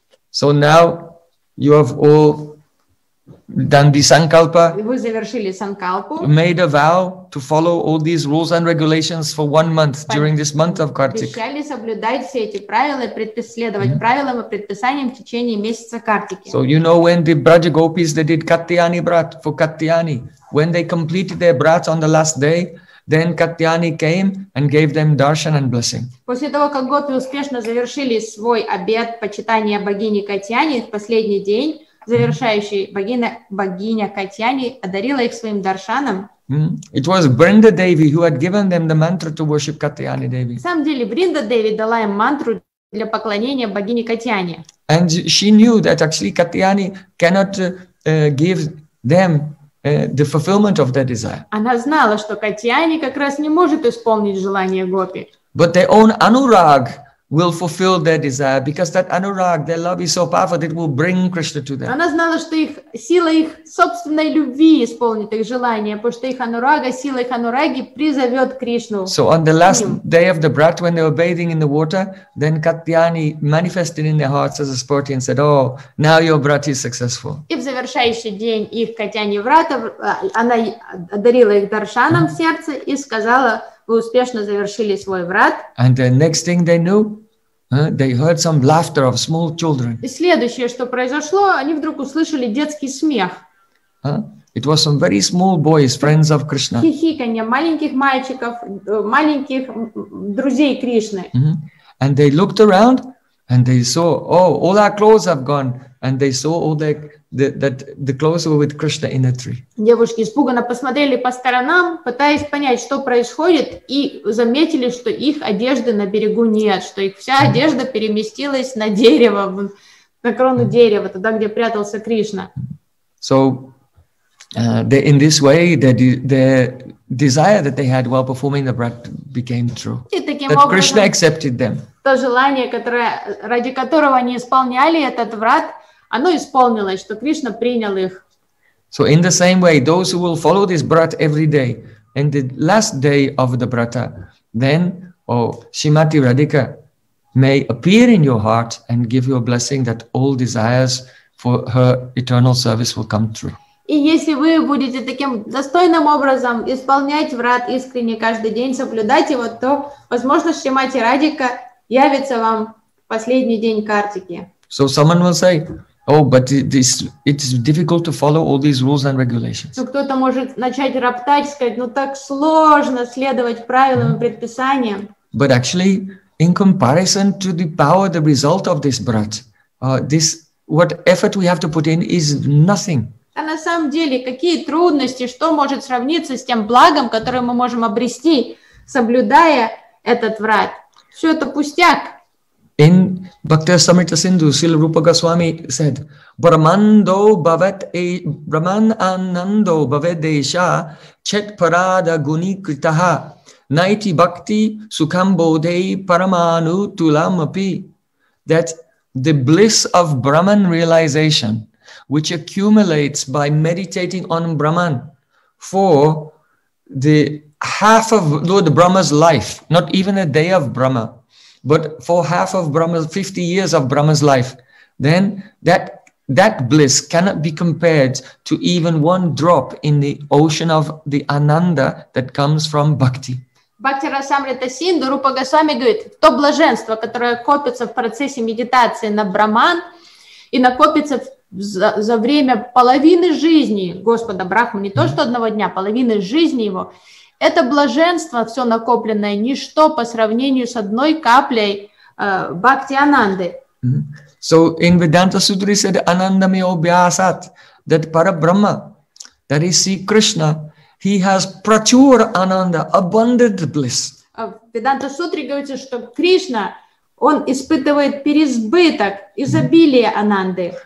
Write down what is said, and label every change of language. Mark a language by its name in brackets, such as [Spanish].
[English] So now you have all done the sankalpa. [Russian] Вы завершили санкалпу. [English] Made a vow to follow all these rules and regulations for 1 month during this month of Kartik. [Russian] Обещали соблюдать все эти правила и следовать правилам и предписаниям в течение месяца Картики. [English] So you know when the Braja Gopis they did Katyani Brat for Katyani, when they completed their brat on the last day, then Katyani came and gave them darshan and blessing. [Russian] После того, как Гопи успешно завершили свой обет почитания богини Катьяни в последний день, завершающий богиня Катьяни одарила их своим даршаном. [English] It was Brinda Devi who had given them the mantra to worship Katyani Devi. [Russian] На самом деле, Бринда Деви дала им мантру для поклонения богине Катьяни. [English] And she knew that actually Katyani cannot give them the fulfillment of their desire. [Russian] Она знала, что Катьяни как раз не может исполнить желание Гопи. [English] But their own anurag will fulfill their desire because that anurag, their love is so powerful that it will bring Krishna to them. [Russian] Она знала, что их сила их собственной любви исполнит их желание, потому что их анурага, сила их анураги призовет Кришну. [English] So on the last day of the brat, when they were bathing in the water, then Katyani manifested in their hearts as a sporty and said, "Oh, now your brat is successful." [Russian] И в завершающий день их Катьяни Врата она одарила их даршаном в сердце и сказала: вы успешно завершили свой врат. [English] And the next thing they knew, they heard some laughter of small children. [Russian] И следующее, что произошло, они вдруг услышали детский смех. [English] It was some very small boys, friends of Krishna. [Russian] Хихиканье маленьких мальчиков, маленьких друзей Кришны. [English] And they looked around and they saw, oh, all our clothes have gone. And they saw all their, that the clothes were with Krishna in a tree. [Russian] Девушки испуганно посмотрели по сторонам, пытаясь понять, что происходит, и заметили, что их одежды на берегу нет, что их вся одежда переместилась на дерево, на крону дерева, туда, где прятался Кришна. [English] So, in this way, their desire that they had while performing the brat became true. [Russian] И таким [English] that [Russian] образом, [English] Krishna accepted them. [Russian] То желание, которое, ради которого они исполняли этот врат, оно исполнилось, что Кришна принял их. [English] So in the same way, those who will follow this brat every day, and the last day of the brata, then, Shrimati Radhika may appear in your heart and give you a blessing that all desires for her eternal service will come true. [Russian] И если вы будете таким достойным образом исполнять врат искренне каждый день, соблюдать его, то, возможно, Шримати Радика явится вам в последний день Картики. [English] So someone will say, oh, but it's difficult to follow all these rules and regulations. [Russian] Кто-то может начать роптать, сказать, ну так сложно следовать правилам и предписаниям. [English] But actually, in comparison to the power, the result of this brat, this what effort we have to put in is nothing. [Russian] А на самом деле, какие трудности, что может сравниться с тем благом, которое мы можем обрести, соблюдая этот врат? Все это пустяк. [English] In Bhakti Samrita Sindhu, Srila Rupa Goswami said, [Sanskrit] Brahmando bhavet e Brahman anando bhavedesha chet parada guni kritaha naiti bhakti sukambode paramanu tulamapi. [English] That the bliss of Brahman realization, which accumulates by meditating on Brahman for the half of Lord Brahma's life, not even a day of Brahma, but for half of Brahma's, 50 years of Brahma's life, then that bliss cannot be compared to even one drop in the ocean of the ananda that comes from bhakti. [Russian] Бхактирасамрита Синду Рупа Госвами говорит, то блаженство, которое копится в процессе медитации на Брахман и накопится за время половины жизни Господа Брахмы, не то что одного дня, половины жизни его, это блаженство, все накопленное, ничто по сравнению с одной каплей Бхакти Ананды. [English] So in Vedanta Sutra said, Anandami Obhyasat, that Parabrahma, that is Sri Krishna, he has prachur ananda, abundant bliss. [Russian] Vedanta Sutra говорится, что Кришна, он испытывает переизбыток, изобилие ананды.